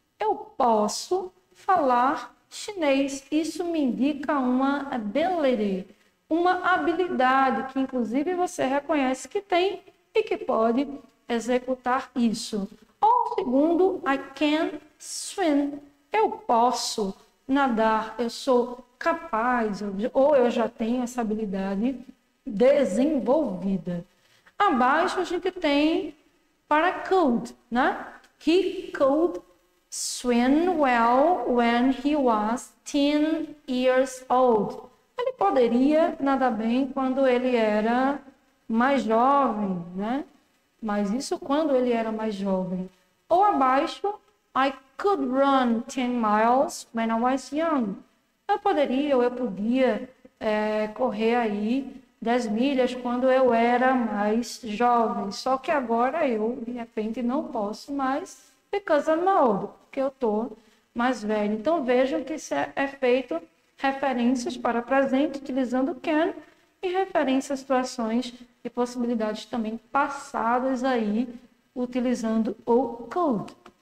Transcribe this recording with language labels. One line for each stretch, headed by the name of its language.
Portuguese: Eu posso falar chinês, isso me indica uma ability, uma habilidade que inclusive você reconhece que tem e que pode executar isso. Ou segundo,
English: I can swim.
Portuguese: Eu posso nadar, eu sou capaz, ou eu já tenho essa habilidade desenvolvida. Abaixo a gente tem para could, né?
English: He could swim well when he was 10 years old.
Portuguese: Ele poderia nadar bem quando ele era mais jovem, né? Mas isso quando ele era mais jovem. Ou abaixo,
English: I could run 10 miles when I was young.
Portuguese: Eu podia correr aí 10 milhas quando eu era mais jovem. Só que agora eu, de repente, não posso mais,
English: because I'm old,
Portuguese: porque eu estou mais velho. Então vejam que isso é feito referências para presente, utilizando can, e referências a situações e possibilidades também passadas aí, utilizando o could.